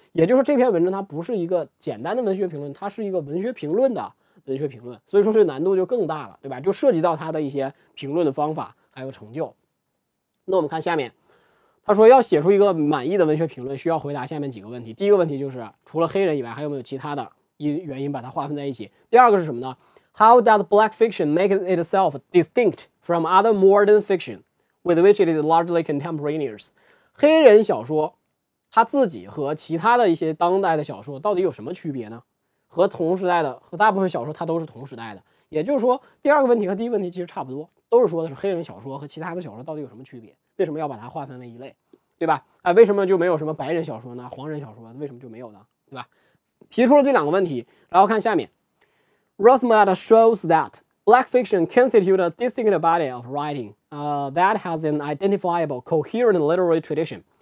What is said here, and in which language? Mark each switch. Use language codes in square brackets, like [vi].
[zh] 也就是这篇文章它不是一个简单的文学评论，它是一个文学评论的文学评论，所以说这难度就更大了，对吧？就涉及到它的一些评论的方法还有成就。那我们看下面，他说要写出一个满意的文学评论需要回答下面几个问题。第一个问题就是除了黑人以外还有没有其他的原因把它划分在一起。第二个是什么呢？ [en] How does black fiction make itself distinct from other modern fiction with which it is largely contemporaneous? [zh] 黑人小说他自己和其他的一些当代的小说到底有什么区别呢？和同时代的和大部分小说他都是同时代的。也就是说第二个问题和第一个问题其实差不多，都是说的是黑人小说和其他的小说到底有什么区别，为什么要把它划分为一类，对吧？哎，为什么就没有什么白人小说呢？黄人小说为什么就没有呢？对吧？提出了这两个问题，然后看下面。 [en] Rosenblatt shows that black fiction constitute a distinct body of writing, that has an identifiable coherent literary tradition.